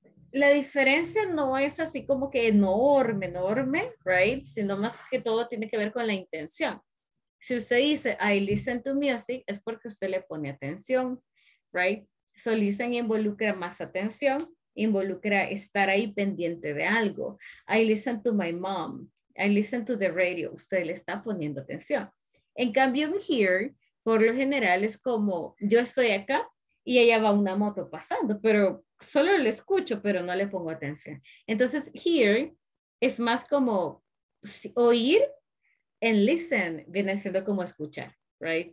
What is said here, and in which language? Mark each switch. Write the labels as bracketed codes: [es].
[es] La diferencia no es así como que enorme, enorme, right? Sino más que todo tiene que ver con la intención. Si usted dice, [en] I listen to music, [es] es porque usted le pone atención, right? So listen involucra más atención, involucra estar ahí pendiente de algo. [en] I listen to my mom, I listen to the radio. [es] Usted le está poniendo atención. En cambio, here, por lo general, es como, yo estoy acá y allá va una moto pasando, pero solo lo escucho, pero no le pongo atención. Entonces, hear es más como oír, and listen viene siendo como escuchar, right?